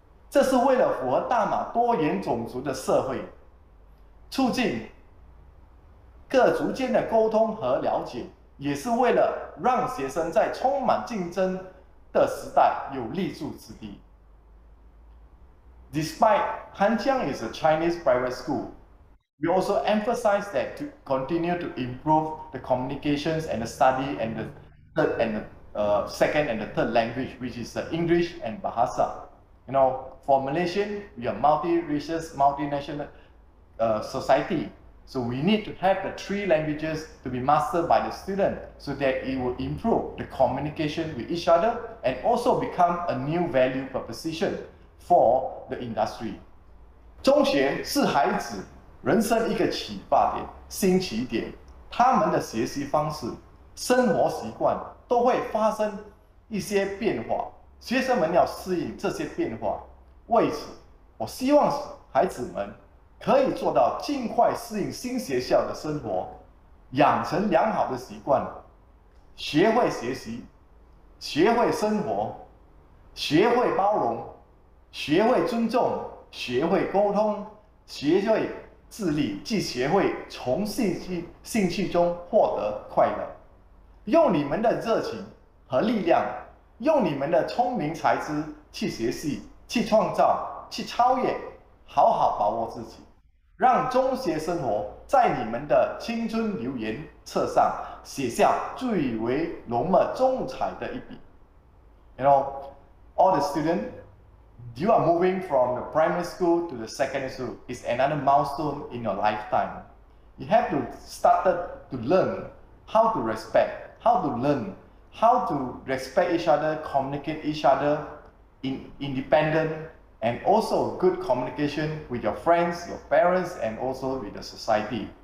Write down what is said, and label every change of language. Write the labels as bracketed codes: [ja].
[zh] 这是为了符合大马多元种族的社会，促进各族间的沟通和了解，也是为了让学生在充满竞争的时代有立足之地。 [en] Despite Hanjiang is a Chinese private school, we also emphasize that to continue to improve the communications and the study and the third and the second and the third language, which is English and Bahasa. You know, for Malaysian, we are multi-racial, multinational society. So we need to have the three languages to be mastered by the student so that it will improve the communication with each other and also become a new value proposition for the industry. [zh] 中学是孩子人生一个启发点、新起点，他们的学习方式、生活习惯都会发生一些变化，学生们要适应这些变化。为此，我希望孩子们可以做到尽快适应新学校的生活，养成良好的习惯，学会学习，学会生活，学会包容，学会尊重，学会沟通，学会自立，即学会从兴趣中获得快乐。用你们的热情和力量，用你们的聪明才智去学习，去创造，去超越，好好把握自己，让中学生活在你们的青春留言册上写下最为浓墨重彩的一笔。 [en] You know, all the student, you are moving from the primary school to the secondary school is another milestone in your lifetime. You have to start to learn how to respect, how to learn, how to respect each other, communicate each other in independent and also good communication with your friends, your parents, and also with the society.